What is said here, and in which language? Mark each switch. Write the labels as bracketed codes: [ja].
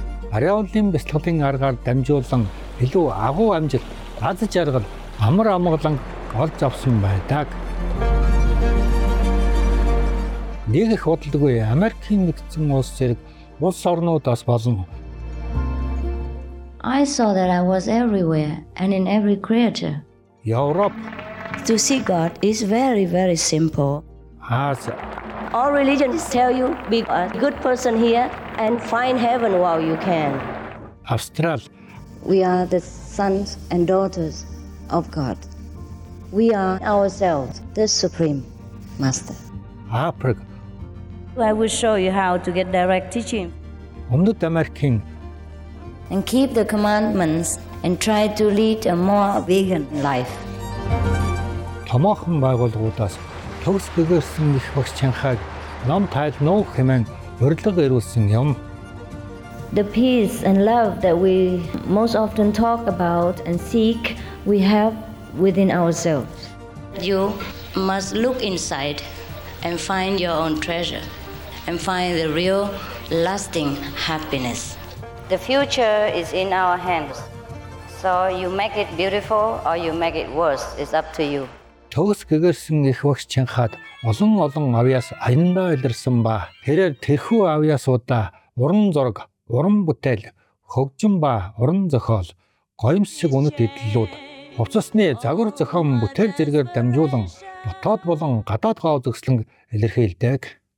[mn] Ариаулын бясалгалын аргаар дамжуулан илүү агуу амжилт, аз жаргал, амар амгалан олж авсан байдаг. Нэг их бодлогоо Америкийн нэгдсэн улс зэрэг улс орнуудаас болон [en] I saw that I was everywhere and in every creature. [mn] Европ, [en] to see God is very, very simple. All religions tell you be a good person here and find heaven while you can. We are the sons and daughters of God. We are ourselves the Supreme Master. I will show you how to get direct teaching. And keep the commandments and try to lead a more vegan life. [mn] Томоохон байгууллагуудаас төгс гэгэрсэн их багш чанхаг нам тайл нуу хэмээн урилга ирүүлсэн юм. [en] The peace and love that we most often talk about and seek, we have within ourselves. You must look inside and find your own treasure and find the real lasting happiness. The future is in our hands. So you make it beautiful or you make it worse, it's up to you. [mn] Төгс гэгэрсэн их багш чанхаад олон олон авьяас аяндаа илэрсэн ба тэрээр тэрхүү авьяасуудаа уран зураг, уран бүтээл, хөгжим ба уран зохиол, гоёмсог үнэт эдлэлүүд, хувцасны загвар зохион бүтээл зэрэгээр дамжуулан дотоод болон гадаад гоо зөвслөнг илэрхийлдэг.